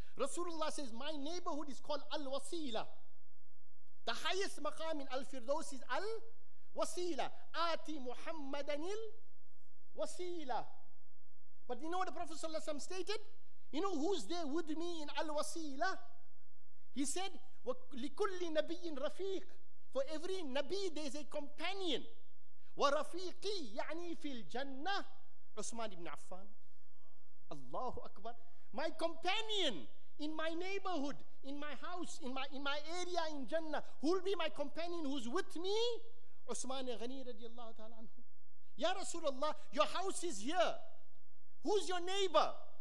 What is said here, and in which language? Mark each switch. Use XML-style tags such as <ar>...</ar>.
<en>Rasulullah says, my neighborhood is called Al-Wasila. The highest maqam in Al-Firdaus is Al-Wasila.</en> <ar>Ati Muhammadan Al-Wasila.</ar> <en>But you know what the Prophet sallallahu alayhi wa sallam stated? You know who's there with me in Al-Wasila? He said,</en> <ar>لِكُلِّ نَبِيٍ رَفِيقٍ,</ar> <en>for every Nabi there is a companion.</en> <ar>وَرَفِيقِي يَعْنِي فِي الْجَنَّةِ Uthman ibn Affan. Allahu Akbar.</ar> <en>My companion in my neighborhood, in my house, in my area in Jannah. Who will be my companion who's with me? Uthman al-Ghani radiallahu ta'ala anhu. Ya Rasulullah, your house is here. Who's your neighbor?</en>